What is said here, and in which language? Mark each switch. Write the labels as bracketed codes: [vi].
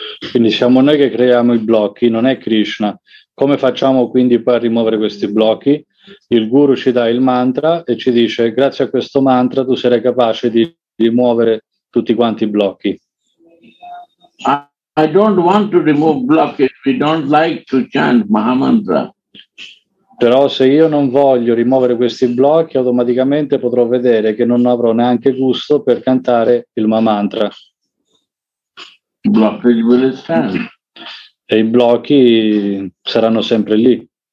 [it] Quindi siamo noi che creiamo i blocchi, non è Krishna. Come facciamo quindi poi a rimuovere questi blocchi? Il guru ci dà il mantra e ci dice, grazie a questo mantra tu sarai capace di rimuovere tutti quanti i blocchi. [en] I don't want to remove blockage, we don't like to chant Mahamantra. [it] Però se io non voglio rimuovere questi blocchi, automaticamente potrò vedere che non avrò neanche gusto per cantare il Mahamantra. [en] Blockage will stand. [it] E i blocchi saranno sempre lì.